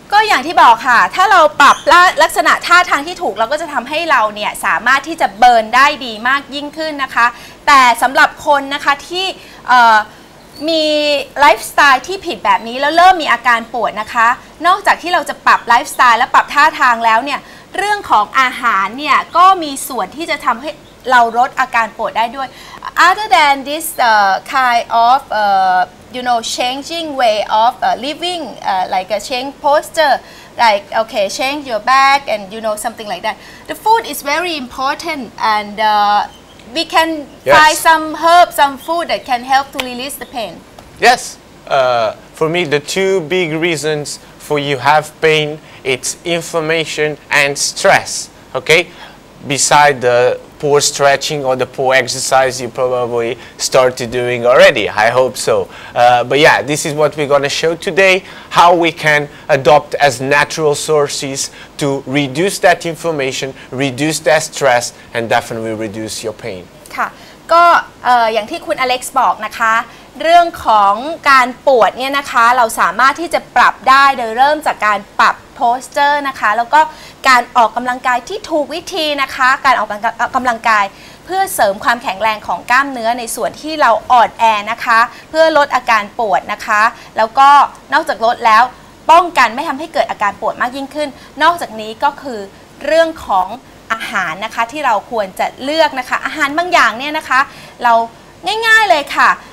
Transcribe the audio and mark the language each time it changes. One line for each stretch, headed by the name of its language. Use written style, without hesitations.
Thai: ก็อย่างที่บอกค่ะถ้าเราปรับลักษณะท่าทางที่ถูกเราก็จะทำให้เราเนี่ยสามารถที่จะเบิร์นได้ดีมากยิ่งขึ้นนะคะแต่สำหรับคนนะคะที่ มีไลฟ์สไตล์ที่ผิดแบบนี้แล้วเริ่มมีอาการปวดนะคะนอกจากที่เราจะปรับไลฟ์สไตล์และปรับท่าทางแล้วเนี่ยเรื่องของอาหารเนี่ยก็มีส่วนที่จะทำใหเราลดอาการปวดได้ด้วย
English: other than this kind of you know changing way of living like a change posture like okay change your back and you know something like that the food is very important and we can yes. buy some herb some food that can help to release the pain yes for me the two big reasons for you have pain it's inflammation and stress okay beside thepoor stretching or the poor exercise you probably started doing already. I hope so. But yeah, this is what we're going to show today, how we can adopt as natural sources to reduce that inflammation, reduce that stress, and definitely reduce your pain.
Thai: ค่ะก็อย่างที่คุณอเล็กซ์บอกนะคะเรื่องของการปวดเนี่ยนะคะเราสามารถที่จะปรับได้โดยเริ่มจากการปรับ posture นะคะแล้วก็การออกกำลังกายที่ถูกวิธีนะคะการออกกำลังกายเพื่อเสริมความแข็งแรงของกล้ามเนื้อในส่วนที่เราอ่อนแอนะคะเพื่อลดอาการปวดนะคะแล้วก็นอกจากลดแล้วป้องกันไม่ทำให้เกิดอาการปวดมากยิ่งขึ้นนอกจากนี้ก็คือเรื่องของอาหารนะคะที่เราควรจะเลือกนะคะอาหารบางอย่างเนี่ยนะคะเราง่ายๆเลยค่ะ